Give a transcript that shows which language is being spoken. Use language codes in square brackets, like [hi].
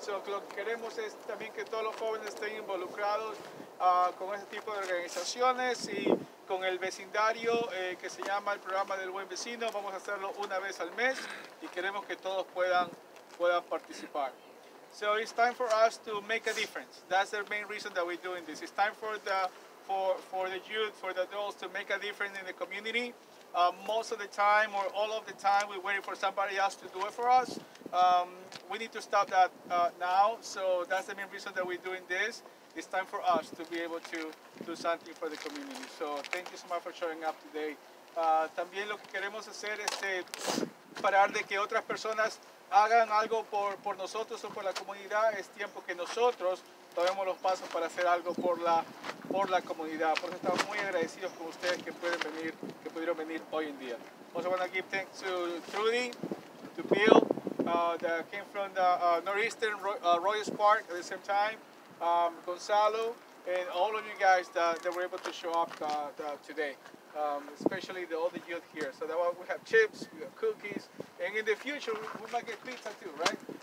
[es] So lo que queremos es también que todos los jóvenes estén involucrados con este tipo de organizaciones y con el vecindario que se llama el programa del buen vecino. Vamos a hacerlo una vez al mes y queremos que todos puedan participar. [en] So it's time for us to make a difference. That's the main reason that we're doing this. It's time for the youth, for the adults to make a difference in the community. Most of the time or all of the time we're waiting for somebody else to do it for us. We need to stop that now. So that's the main reason that we're doing this. It's time for us to be able to do something for the community. So thank you so much for showing up today. [es] También lo que queremos hacer es parar de que otras personas hagan algo por nosotros o por la comunidad. Es tiempo que nosotros tomemos los pasos para hacer algo por la comunidad. Por eso estamos muy agradecidos con ustedes que pueden venir, que pudieron venir hoy en día. [en] Also want to give thanks to Trudy, to Bill, that came from the Northeastern Royals Park at the same time, Gonzalo, and all of you guys that were able to show up today, especially all the youth here. So that we have chips, we have cookies, and in the future, we might get pizza too, right?